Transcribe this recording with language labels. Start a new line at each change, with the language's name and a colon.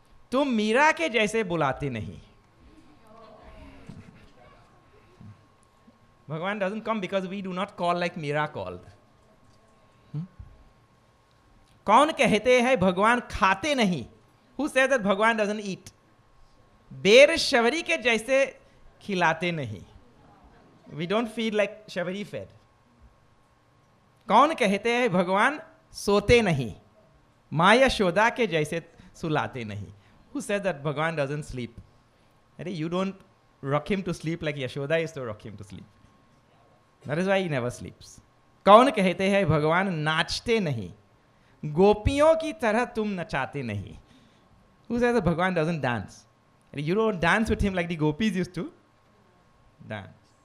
Hindi: तुम मीरा के जैसे बुलाते नहीं.
English: Bhagwan doesn't come because we do not call like Meera called.
Hindi: कौन कहते हैं भगवान खाते नहीं?
English: Who says that Bhagwan doesn't eat?
Hindi: बेर शबरी के जैसे खिलाते नहीं.
English: We don't feel like Shabari fed.
Hindi: कौन कहते हैं भगवान सोते नहीं? माया शोदा के जैसे सुलाते नहीं.
English: Who says that Bhagwan doesn't sleep? अरे, you don't rock him to sleep like Yashoda used to rock him to sleep. That is why he never sleeps.
Hindi: कौन कहते हैं भगवान नाचते नहीं? गोपियों की तरह तुम नचाते नहीं.
English: Who says that Bhagwan doesn't dance? अरे, you don't dance with him like the gopis used to dance.